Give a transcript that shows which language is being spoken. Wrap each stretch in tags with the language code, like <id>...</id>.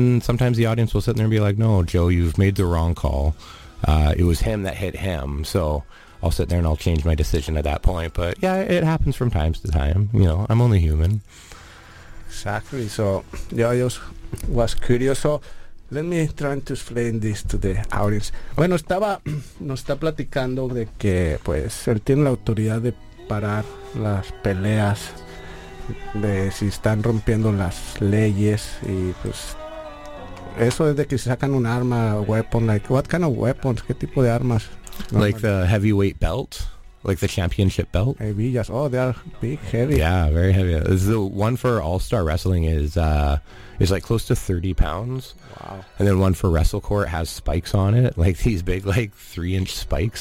<en>And sometimes the audience will sit there and be like, no, Joe, you've made the wrong call. It was him that hit him. So I'll sit there, and I'll change my decision at that point. But, yeah, it happens from time to time. You know, I'm only human. Exactly. So, yeah, I just was curious. So let me try to explain this to the audience.</en> <es>Bueno, estaba, nos está platicando de que, pues, él tiene la autoridad de parar las peleas, de si están rompiendo las leyes, y pues eso es de que sacan un arma,</es> <en>weapon, like what kind of weapons,</en> <es>qué tipo de armas, normal.</es> <en>Like the heavyweight belt, like the championship belt,</en> <es>hebillas.</es> <en>Oh, they are big, heavy. Yeah, very heavy. The one for All-Star Wrestling is like close to 30 pounds. Wow. And then one for Wrestle Court has spikes on it, like these big like 3-inch spikes.</en>